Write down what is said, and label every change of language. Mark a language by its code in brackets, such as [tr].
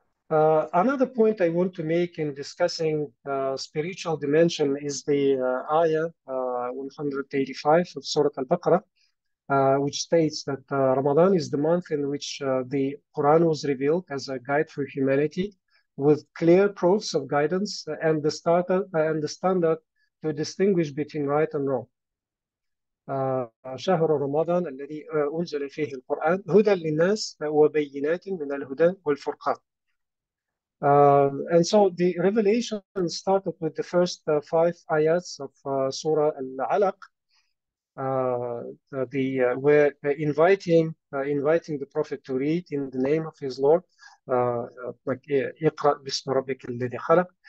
[en] Another point I want to make in discussing spiritual dimension is the ayah 185 of Surah Al-Baqarah, which states that Ramadan is the month in which the Quran was revealed as a guide for humanity, with clear proofs of guidance and the standard to distinguish between right and wrong. [ar] شهر رمضان الذي أنزل فيه القرآن هدى للناس وبينات من الهدى والفرقان. [en] And so the revelation started with the first five ayats of Surah Al-Alaq, the were inviting the Prophet to read in the name of his Lord, like [ar] "Iqra bismi rabbika alladhi khalaq."